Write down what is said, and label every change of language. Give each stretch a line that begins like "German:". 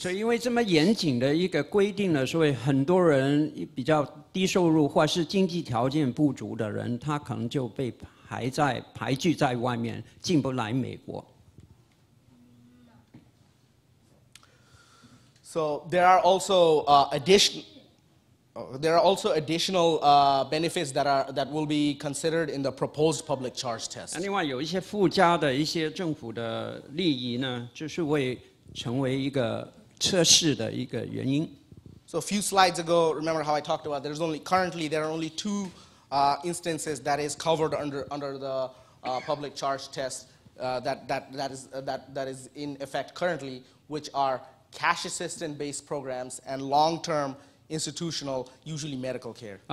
Chinese: 所以因为这么严谨的一个规定呢所以很多人比较低收入或是经济条件不足的人他可能就被还在排拒在外面，进不来美国。
English: So there are also additional benefits that will be considered in the proposed public charge test.
Chinese: 另外有一些附加的一些政府的利益呢，就是会成为一个测试的一个原因。
English: So a few slides ago, remember how I talked about there are only two. Instances that is covered under the public charge test that is in effect currently, which are cash assistance based programs and long-term institutional, usually medical care.